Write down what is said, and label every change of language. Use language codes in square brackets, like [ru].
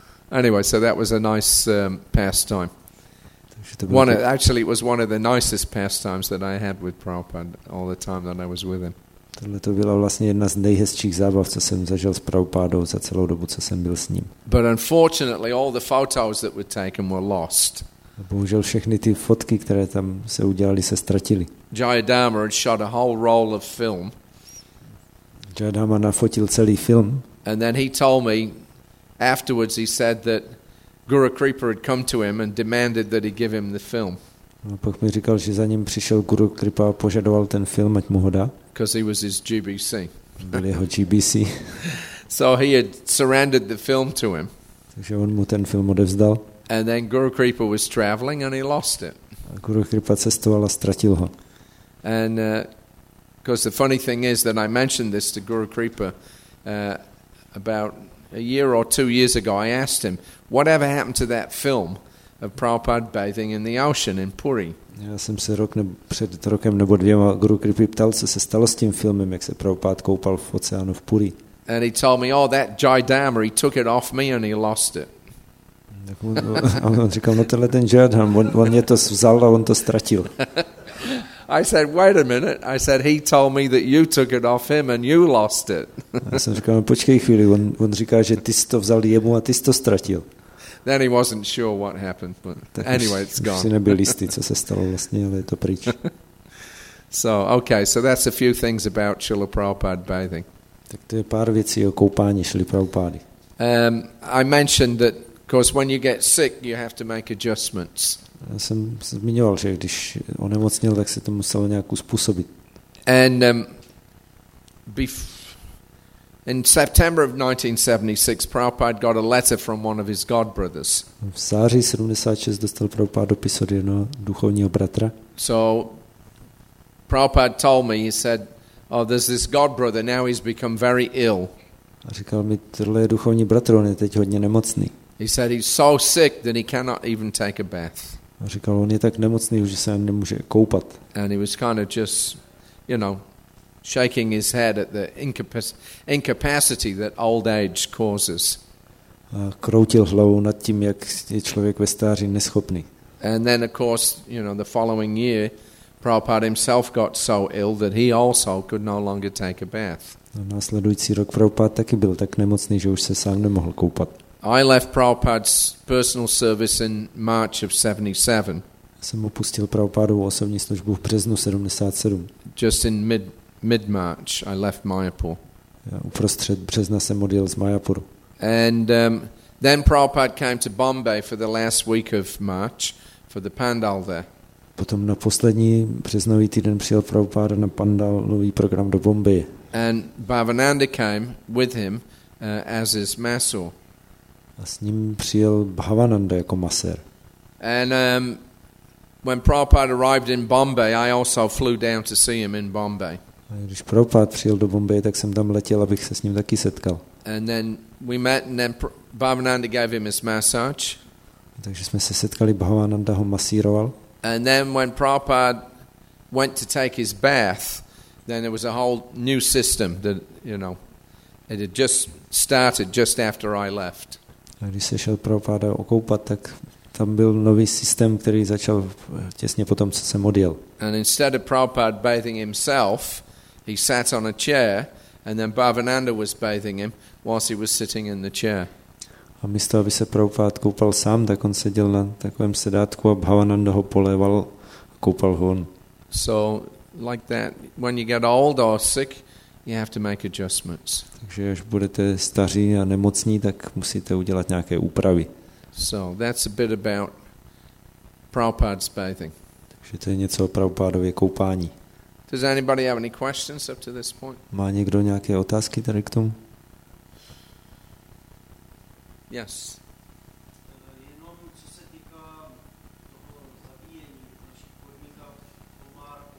[en] Anyway, so that was a nice pastime. Actually, it was one of the nicest pastimes that I had with Prabhupada all the time that I was with him. [cs] Tohle to byla vlastně jedna z nejhezčích zábav, co jsem zažil s Prabhupádou za celou dobu, co jsem byl s ním. [en] But unfortunately, all the photos that were taken were lost. [cs] A bohužel všechny ty fotky, které tam se udělali, se ztratily. [en] Jayadama had shot a whole roll of film. [cs] Jayadama nafotil celý film. [en] And then he told me afterwards, he said that Guru Kripa had come to him and demanded that he give him the film. [cs] A pak mi říkal, že za ním přišel Guru Kripa a požadoval ten film, ať mu ho dá. [en] Because he was his GBC. [cs] Byl jeho GBC. [en] So he had surrendered the film to him. [cs] Takže on mu ten film odevzdal. [en] And then Guru Kripa was traveling and he lost it. [cs] A Guru Kripa cestoval a ztratil ho. [en] And because the funny thing is that I mentioned this to Guru Kripa about a year or 2 years ago, I asked him, whatever happened to that film of Prabhupada bathing in the ocean in Puri? [cs] Já jsem se před rokem nebo dvěma Guru Kripy ptal, co se stalo s tím filmem, jak se Prabhupada koupal v oceánu v Puri. [en] And he told me, oh, that Jayadama, he took it off me and he lost it. [cs] A on říkal, no tenhle ten Jayadama, on mě to vzal a on to ztratil. [en] I said, wait a minute. I said, he told me that you took it off him and you lost it. [cs] Já jsem říkal, počkej chvíli, on říká, že ty jsi to vzal jemu a ty jsi to ztratil. [en] Then he wasn't sure what happened, but anyway, it's gone. [cs] Si nebyl jistý, co se stalo vlastně, ale je to pryč. [en] So, okay, so that's a few things about Srila Prabhupada bathing. [cs] Tak to je pár věcí o koupání Srila Prabhupady. [en] I mentioned that, of course, when you get sick, you have to make adjustments. [cs] Já jsem zmiňoval, že když onemocněl, tak se to muselo nějak uspůsobit. [en] And in September of 1976, Prabhupada got a letter from one of his godbrothers. [cs] V září 76 dostal Prabhupada dopis od jednoho duchovního bratra. [en] So Prabhupada told me, he said, oh, there's this godbrother, now he's become very ill. [cs] A říkal mi, tohle je duchovní bratr, on je teď hodně nemocný. [en] He said, he's so sick that he cannot even take a bath. [cs] A říkal, on je tak nemocný, že se nemůže koupat. [en] And he was kind of just, you know, shaking his head at the incapacity that old age causes. [cs] A kroutil hlavou nad tím, jak je člověk ve stáří neschopný. [en] And then, of course, you know, the following year, Prabhupada himself got so ill that he also could no longer take a bath. [cs] A následující rok Prabhupada taky byl tak nemocný, že už se sám nemohl koupat. [en] I left Prabhupada's personal service in March of 77. [cs] Jsem opustil Prabhupádovu osobní službu v březnu 77. [en] Just in mid-March, I left Mayapur. [cs] Uprostřed března jsem odjel z Mayapuru. [en] And then Prabhupada came to Bombay for the last week of March for the Pandal there. [cs] Potom na poslední březnový týden přijel Prabhupada na Pandalový program do Bombaje. [en] And Bhavananda came with him as his masseur. [cs] A s ním přijel Bhavananda jako masér. [en] And when Prabhupada arrived in Bombay, I also flew down to see him in Bombay. [cs] A když Prabhupada přijel do Bombaje, tak jsem tam letěl, abych se s ním taky setkal. [en] And then we met, and then Bhavananda gave him his massage. [cs] Takže jsme se setkali, Bhavananda ho masíroval. [en] And then when Prabhupada went to take his bath, then there was a whole new system that, you know, it had just started just after I left. [cs] A když se šel Prabhupada okoupat, tak tam byl nový systém, který začal těsně potom, co jsem odjel. [en] And instead of Prabhupada bathing himself, he sat on a chair, and then Bhavananda was bathing him whilst he was sitting in the chair. [cs] A místo, aby se Prabhupada koupal sám, tak on seděl na takovém sedátku a Bhavananda ho poléval a koupal ho on. [en] So like that, when you get old or sick, you have to make adjustments. [cs] Takže až budete staří a nemocní, tak musíte udělat nějaké úpravy. [en] So that's a bit about Prabhupada's bathing. [cs] Takže to je něco o Prabhupádově koupání. [en] Does anybody have any questions up to this point? [cs] Má někdo nějaké otázky tady k tomu? [en] Yes. [cs] Jenom co se týká toho zabíjení v našich podmínkách, komár,